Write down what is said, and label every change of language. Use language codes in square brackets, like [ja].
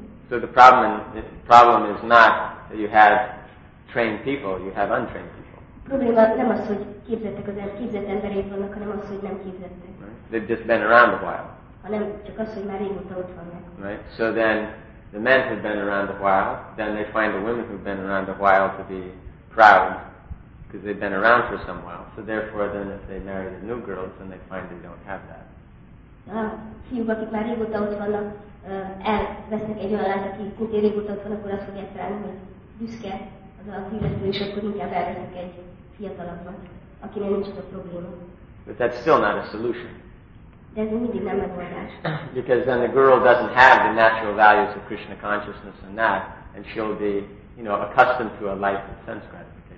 [en] So the problem is not that you have trained people, you have untrained people. [hu] A probléma nem az, hogy képzett embereik vannak, hanem az, hogy nem képzettek. [en] Right? They've just been around a while. [hu] Hanem csak az, hogy már régóta ott vannak. [en] Right? So then, the men who've been around a while, then they find the women who've been around a while to be proud, because they've been around for some while. So therefore, then if they marry the new girls, then they find they don't have that. [hu] Fiúk, akik már régóta ott vannak, elvesznek egy olyan lányt, aki szintén régóta ott van, akkor azt fogják találni, hogy büszke az a fiúkból, és akkor inkább elvesznek egy fiatalabbat, akinek nincs ott a probléma. [en] But that's still not a solution. [hu] De ez mindig nem megoldás. [en] Because then the girl doesn't have the natural values of Krishna consciousness and that, and she'll be, you know, accustomed to a life of sense gratification.